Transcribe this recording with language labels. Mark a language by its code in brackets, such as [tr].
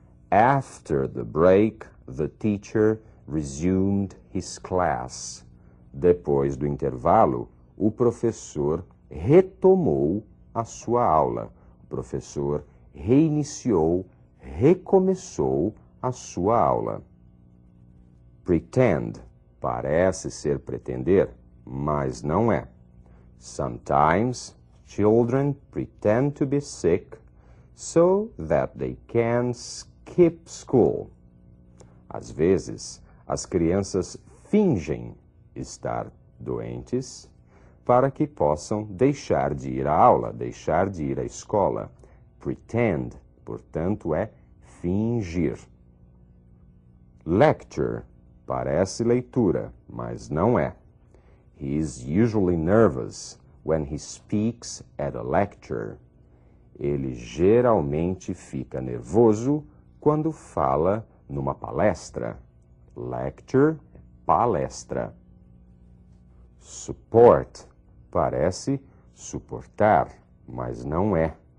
[en] After the break, the teacher resumed his class. [pt] Depois do intervalo, o professor retomou a sua aula. O professor reiniciou, recomeçou a sua aula. Pretend parece ser pretender, mas não é. [en] Sometimes children pretend to be sick so that they can skip school. [pt] Às vezes, as crianças fingem estar doentes para que possam deixar de ir à aula, deixar de ir à escola. Pretend, portanto, é fingir. Lecture parece leitura, mas não é. [en] He is usually nervous when he speaks at a lecture. [pt] Ele geralmente fica nervoso quando fala numa palestra. Lecture, palestra. Support parece suportar, mas não é.